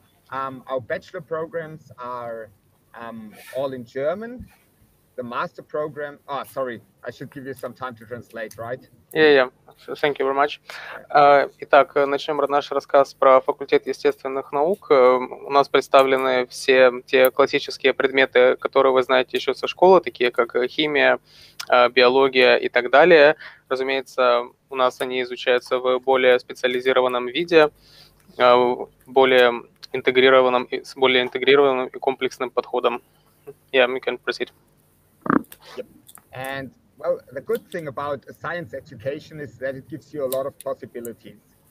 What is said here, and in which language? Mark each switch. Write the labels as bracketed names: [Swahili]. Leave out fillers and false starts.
[English] Our bachelor programs are all in German. The master program, I should give you some time to translate, right? Yeah, thank you very much. [Russian] Итак, начнем наш рассказ про факультет естественных наук. У нас представлены все те классические предметы, которые вы знаете еще со школы, такие как химия, биология и так далее. Разумеется, у нас они изучаются в более специализированном виде, с более интегрированным и комплексным подходом. [English] Yeah, we can proceed. Yep. And well, the good thing about a science education is that it gives you a lot of possibilities.